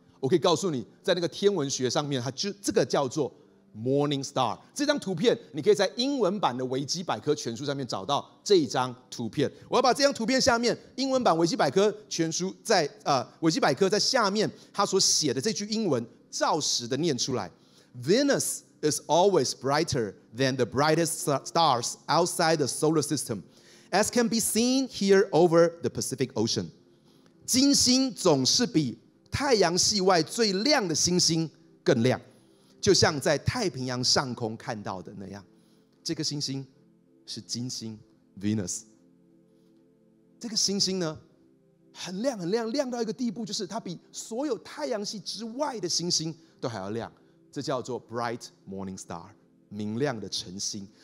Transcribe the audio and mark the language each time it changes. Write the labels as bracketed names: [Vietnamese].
[Chinese] 我可以告诉你，在那个天文学上面它就这个叫做Morning Star。这张图片你可以在英文版的维基百科全书上面找到这一张图片。我要把这张图片下面英文版维基百科全书在维基百科在下面他所写的这句英文照实的念出来。 [English] Venus is always brighter than the brightest stars outside the solar system as can be seen here over the Pacific Ocean。 [Chinese] 金星总是比太阳系外最亮的星星更亮，就像在太平洋上空看到的那样。这颗星星是金星 Venus。这个星星呢很亮很亮，亮到一个地步就是它比所有太阳系之外的星星都还要亮，这叫做 [English] Bright Morning Star， [Chinese] 明亮的晨星。